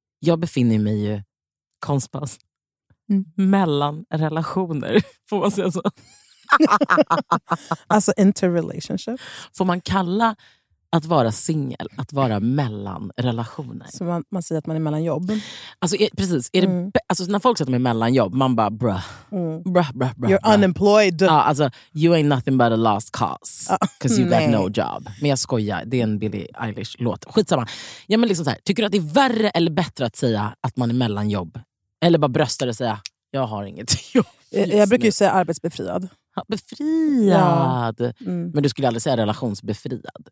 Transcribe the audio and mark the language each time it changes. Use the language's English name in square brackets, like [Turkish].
[Swedish] Jag befinner mig ju konstpass mellan relationer, får man säga så. Alltså interrelationship. Får man kalla att vara singel att vara mellan relationer? Så man säger att man är mellan jobb. Alltså precis, är det, alltså när folk säger att man är mellan jobb, man bara bruh. [English] You're unemployed. [Swedish] Ja, alltså [English] you ain't nothing but a lost cause because you got no job. [Swedish] Men jag skojar, det är en Billie Eilish låt. Skitsamma. Ja, men liksom så här, tycker du att det är värre eller bättre att säga att man är mellan jobb eller bara brösta och säga jag har inget jobb? Jag brukar ju säga arbetsbefriad. Befriad. Men du skulle aldrig säga relationsbefriad.